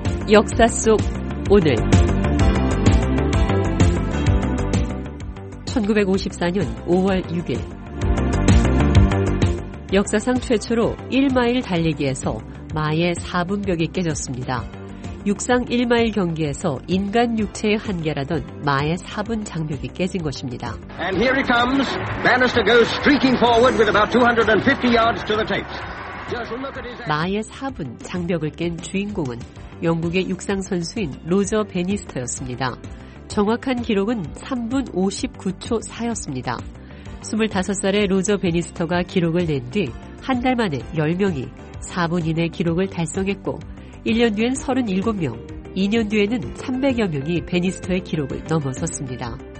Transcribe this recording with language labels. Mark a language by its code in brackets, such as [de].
[ko] 역사 속 오늘 1954년 5월 6일 역사상 최초로 1마일 달리기에서 마의 4분벽이 깨졌습니다. 육상 1마일 경기에서 인간 육체의 한계라던 마의 4분 장벽이 깨진 것입니다. [en] And here he comes. Bannister goes streaking forward with about 250 yards to the tapes. [ko] 마의 4분 장벽을 깬 주인공은 영국의 육상 선수인 로저 베니스터였습니다. 정확한 기록은 3분 59초 4였습니다. 25살의 로저 베니스터가 기록을 낸 뒤 한 달 만에 10명이 4분 이내 기록을 달성했고 1년 뒤엔 37명, 2년 뒤에는 300여 명이 베니스터의 기록을 넘어섰습니다.